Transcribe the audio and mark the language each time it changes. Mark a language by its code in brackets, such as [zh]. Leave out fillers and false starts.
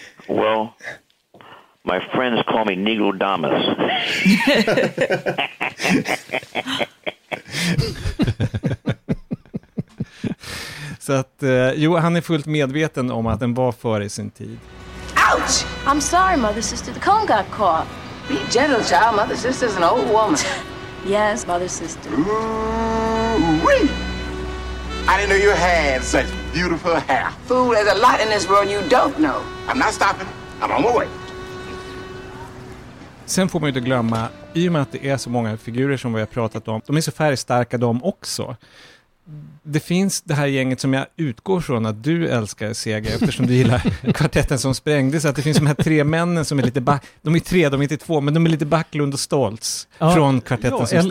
[en] Well, my friends call me Negro Damas. [sv] Så att, jo, han är fullt medveten om att den var före sin tid. Ouch! [en] I'm sorry, mother, sister, the cone got caught. Be gentle, child. Mother, sister's an old woman. Yes, mother, sister. Ooh-wee. I didn't know you had such beautiful hair. Fool, there's a lot in this world you don't know. I'm not stopping. I'm on my way. [sv] Sen får man ju inte glömma, i och med att det är så många figurer som vi har pratat om, de är så färgstarka de också. Det finns det här gänget som jag utgår från att du älskar, Seger, eftersom du gillar Kvartetten som sprängdes. Att det finns de här tre männen som är lite de är tre, de är inte två, men de är lite Backlund och Stoltz, ja, från Kvartetten,